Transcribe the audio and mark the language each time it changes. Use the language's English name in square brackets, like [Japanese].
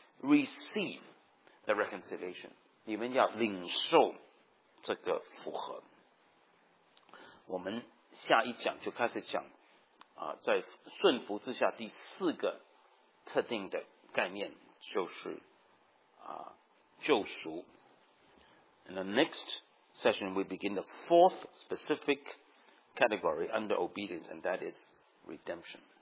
[English] Receive the reconciliation. [Chinese] 你们要领受这个复合。我们下一讲就开始讲，在顺服之下第四个特定的概念就是救赎。 [English] In the next session, we begin the fourth specific category under obedience, and that is redemption.